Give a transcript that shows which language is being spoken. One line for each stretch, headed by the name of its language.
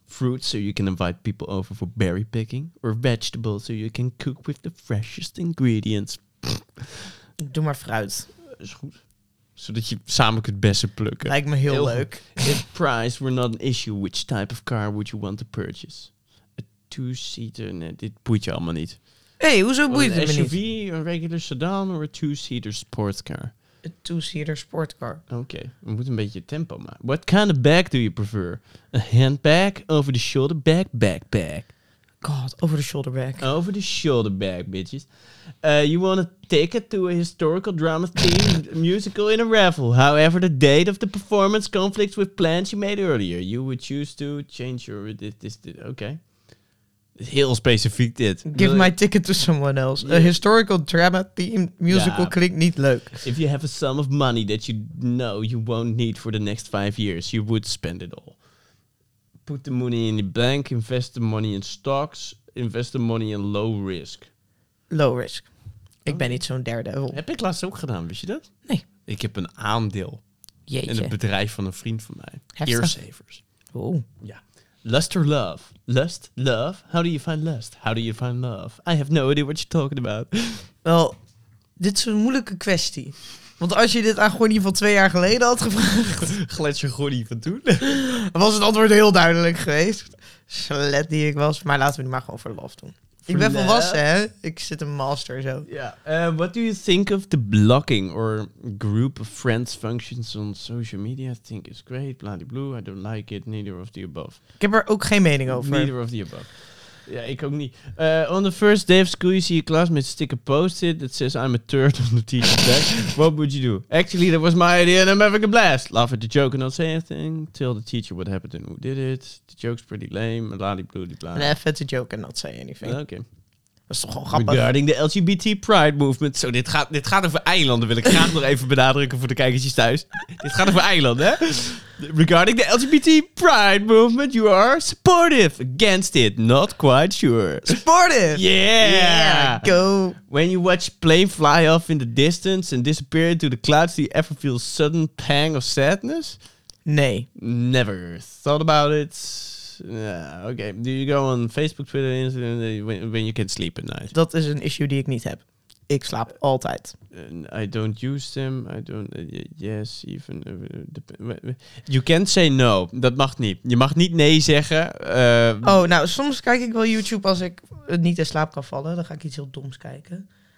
English: Fruits so you can invite people over for berry picking. Or vegetables so you can cook with the freshest ingredients.
Dutch: Doe maar fruit. Is goed. Zodat je samen kunt bessen plukken. Lijkt me heel leuk.
English: If price were not an issue, which type of car would you want to purchase? A two-seater?
Dutch: Nee, dit boeit je allemaal niet. Hé, hey, hoezo boeit het me niet? Een SUV, een regular sedan of een two-seater sportcar? Een two-seater sportcar. Oké, we moeten een beetje tempo maken.
English: What kind of bag do you prefer? A handbag, over-the-shoulder bag, backpack? God, over-the-shoulder bag. Over-the-shoulder bag, bitches. You want a ticket to a historical drama theme musical in a raffle. However, the date of the performance conflicts with plans you made earlier. You would choose to change your... Okay.
Dutch: Heel specifiek dit.
English: Give my ticket to someone else. Yeah. A historical drama theme musical
Dutch: klinkt niet leuk.
English: If you have a sum of money that you know you won't need for the next 5 years, you would spend it all. Put the money in the bank, invest the money in stocks, invest the money in low risk. Low risk.
Dutch: Ik ben niet zo'n derde. Heb ik laatst ook gedaan, wist je dat? Nee. Ik heb een aandeel. Jeetje. In het bedrijf van een vriend van mij. Heftig. Earsavers. Oeh.
English: Ja. Lust or love? Lust? Love? How do you find lust? How do you find love? I have no idea what you're talking about.
Dutch: Wel, dit is een moeilijke kwestie. Want als je dit aan Gordie van 2 jaar geleden had gevraagd... Gletscher Gordie van toen? Dan was het antwoord heel duidelijk geweest. Slet die ik was. Maar laten we nu maar gewoon voor love doen. Ik ben volwassen, hè? Ik zit een master zo.
English: Yeah. What do you think of the blocking or group of friends functions on social media? I think it's great, blah-de-blue. I don't like it, neither of the above.
Dutch: Ik heb er ook geen mening over.
English: Neither of the above.
Dutch: Ja, ik ook niet.
English: On the first day of school, you see a classmate stick a post-it that says I'm a turd on the teacher's desk. What would you do? Actually, that was my idea and I'm having a blast. Laugh at the joke and not say anything. Tell the teacher what happened and who did it. The joke's pretty lame. Laugh at the joke and not say anything.
Dutch: Oké.
English: Okay.
Dutch: Dat is toch gewoon grappig.
English: Regarding the LGBT Pride Movement.
Dutch: Zo, dit gaat over eilanden. Wil ik graag nog even benadrukken voor de kijkertjes thuis. Dit gaat over eilanden, hè?
English: Regarding the LGBT Pride Movement, you are supportive against it. Not quite sure. Supportive! Yeah! Go! When you watch plane fly off in the distance and disappear into the clouds, do you ever feel a sudden pang of sadness?
Dutch: Nee.
English: Never thought about it. Yeah, okay. Do you go on Facebook, Twitter, Instagram when you can sleep at night?
Dutch: Dat is een issue die ik niet heb. Ik slaap altijd.
English: I don't use them. I don't. Yes, even. You can't say no.
Dutch: Dat mag niet. Je mag niet nee zeggen. Oh, nou, soms kijk ik wel YouTube als ik niet in slaap kan vallen. Dan ga ik iets heel doms kijken.